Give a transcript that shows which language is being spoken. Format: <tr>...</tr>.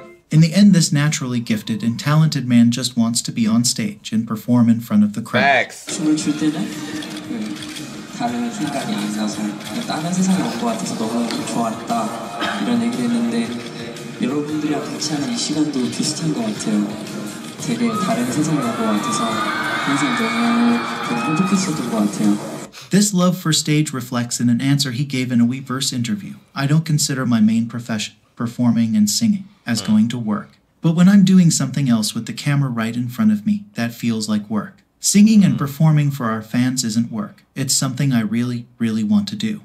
<en>In the end, this naturally gifted and talented man just wants to be on stage and perform in front of the crowd. Facts.</en> <ko>춤을 출 때는 그 다른 생각이 있어서 다른 세상에 온 것 같아서 너가 좋았다 이런 얘기를 했는데 여러분들이랑 같이 하는 이 시간도 비슷한 것 같아요. 되게 다른 세상에 온 것 같아서 항상 너무 행복했었던 것 같아요.</ko> <en>This love for stage reflects in an answer he gave in a Weverse interview. I don't consider my main profession performing and singing as going to work. But when I'm doing something else with the camera right in front of me, that feels like work. Singing and performing for our fans isn't work. It's something I really, really want to do.</en>